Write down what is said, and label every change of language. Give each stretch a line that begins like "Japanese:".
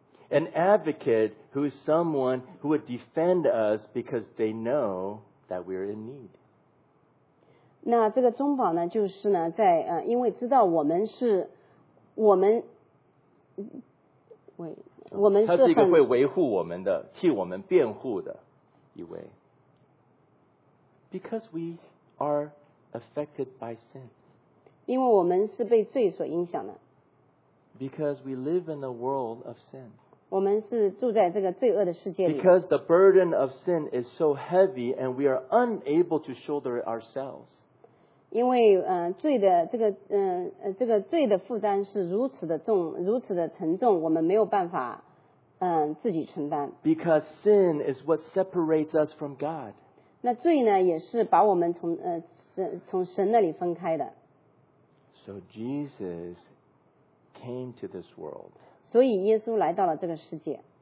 English: An advocate who is someone who would defend us because they know that we are in need.
Chinese: 那这个中保呢，就是呢，在因为知道我们是我们，我们是他是一个会维护我们的、替我们辩护的一位。
English: Because we are affected by sin.
Chinese: 因为我们是被罪所影响的。
English: Because we live in a world of sin.
Chinese: 我们是住在这个罪恶的世界里。
English: Because the burden of sin is so heavy and we are unable to shoulder it ourselves.
Chinese: 因为罪的这个这个罪的负担是如此的重，如此的沉重，我们没有办法自己承担。
English: Because sin is what separates us from God.
Chinese: 那罪呢，也是把我们从从神那里分开的。
English: So Jesus came to this world.
Chinese: 所以耶稣来到了这个世界。